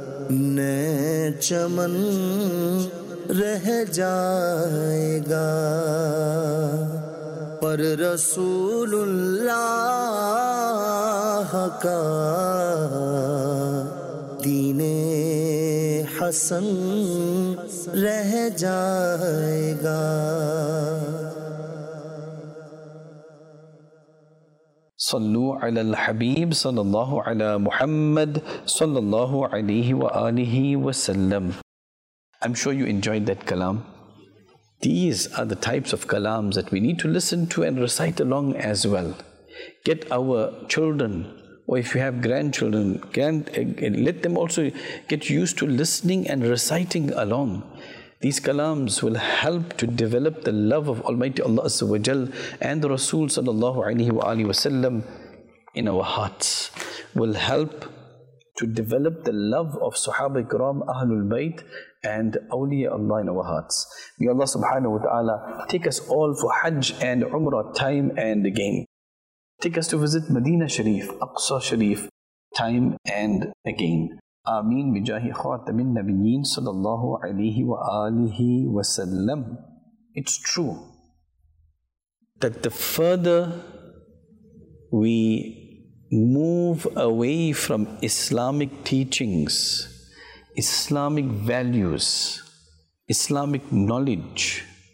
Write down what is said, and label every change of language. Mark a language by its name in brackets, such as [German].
[Urdu] نہ چمن رہ جائے گا, پر رسول اللہ کا دین حسن رہ جائے گا. [Arabic] صلو علی الحبیب صلی اللہ علی محمد صلی اللہ علیہ وآلہ وسلم. [English] I'm sure you enjoyed that kalam. These are the types of kalams that we need to listen to and recite along as well. Get our children, or if you have grandchildren, let them also get used to listening and reciting along. These kalams will help to develop the love of Almighty Allah Azza wa Jal and the Rasul sallallahu alayhi wa alihi wa sallam in our hearts. Will help to develop the love of Sahaba Ikram, Ahlul Bayt and Awliya Allah in our hearts. May Allah subhanahu wa ta'ala take us all for Hajj and Umrah time and again. Take us to visit Medina Sharif, Aqsa Sharif time and again. [Arabic] آمین بجاہ خاتم النبیین صلی اللہ علیہ وآلہ وسلم. [English] It's true that the further we move away from Islamic teachings, Islamic values, Islamic knowledge,